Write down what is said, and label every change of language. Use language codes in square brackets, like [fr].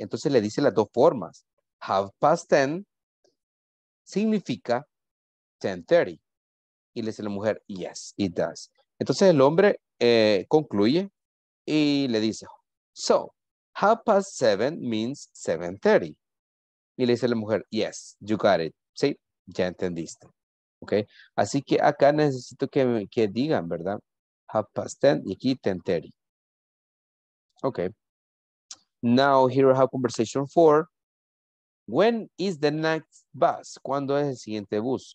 [es] Entonces le dice las dos formas. 10:30 significa 10:30. Y le dice la mujer, [en] yes, it does. [es] Entonces el hombre concluye y le dice, [en] so, 7:30 means 7:30. [es] Y le dice la mujer, [en] yes, you got it. [es] Sí, ya entendiste. Ok, así que acá necesito que digan, ¿verdad? 10:30 y aquí 10:30. Ok. [en] Now, here we have conversation four. When is the next bus? [es] ¿Cuándo es el siguiente bus?